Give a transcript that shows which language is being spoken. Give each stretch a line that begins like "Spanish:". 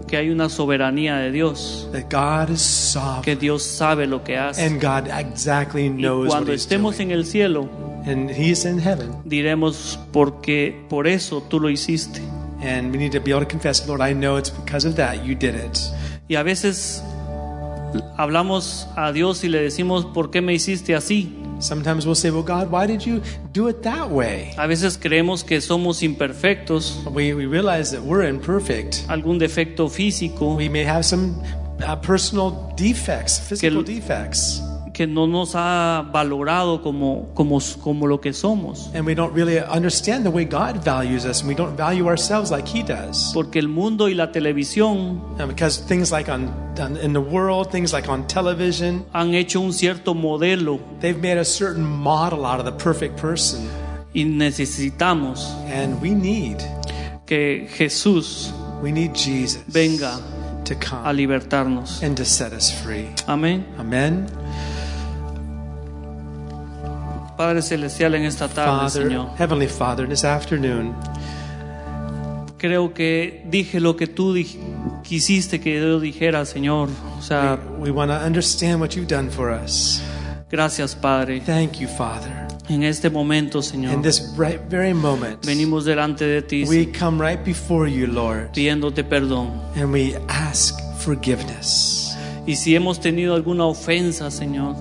Spanish: que hay una soberanía de Dios,
English: that God is sovereign,
Spanish: que Dios sabe lo que hace,
English: and God exactly knows what he's
Spanish: estemos
English: doing.
Spanish: En el cielo,
English: and he's in heaven.
Spanish: Diremos porque por eso tú lo hiciste.
English: And we need to be able to confess, Lord, I know it's because of that you did it.
Spanish: Y a veces hablamos a Dios y le decimos, ¿por qué me hiciste así?
English: Sometimes we'll say, well, God, why did you do it that way?
Spanish: A veces creemos que somos imperfectos.
English: We realize that we're imperfect.
Spanish: Algún defecto físico.
English: We may have some personal defects, physical defects.
Spanish: Que no nos ha valorado como lo que somos.
English: And we don't really understand the way God values us, and we don't value ourselves like he does.
Spanish: Porque el mundo y la televisión,
English: and because things like in the world, things like on television,
Spanish: han hecho un cierto modelo.
English: They've made a certain model out of the perfect person.
Spanish: Y necesitamos,
English: and we need,
Spanish: que Jesús,
English: we need Jesus,
Spanish: venga
English: to come
Spanish: a libertarnos,
English: and to set us free. Amen. Amen.
Spanish: Padre celestial, en esta tarde,
English: Father,
Spanish: Señor,
English: Heavenly Father, this afternoon,
Spanish: creo que dije lo que tú quisiste que yo dijera, Señor. O sea,
English: we want to understand what you've done for us.
Spanish: Gracias, Padre.
English: Thank you, Father.
Spanish: En este momento, Señor,
English: in this right very moment,
Spanish: venimos delante de ti.
English: We come right before you, Lord,
Spanish: pidiéndote perdón.
English: And we ask forgiveness.
Spanish: Y si hemos tenido alguna ofensa, Señor,